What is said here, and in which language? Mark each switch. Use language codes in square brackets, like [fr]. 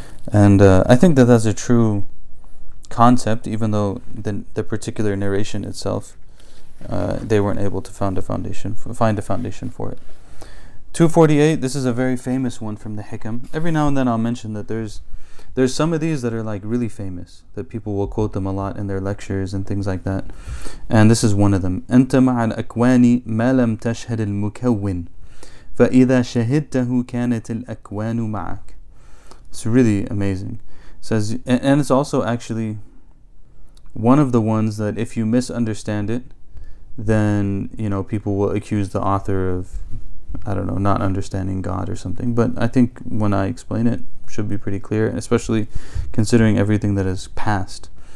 [en] And I think that that's a true concept, even though the particular narration itself, they weren't able to find a foundation for it. 248, this is a very famous one from the Hikam. Every now and then I'll mention that there's some of these that are like really famous, that people will quote them a lot in their lectures and things like that. And this is one of them. [ar] أنت مع الأكوان ما لم تشهد المكون فإذا شهدته كانت الأكوان معك. [en] It's really amazing. It says, and it's also actually one of the ones that if you misunderstand it, then, you know, people will accuse the author of, I don't know, not understanding God or something. But I think when I explain it, should be pretty clear, especially considering everything that has passed.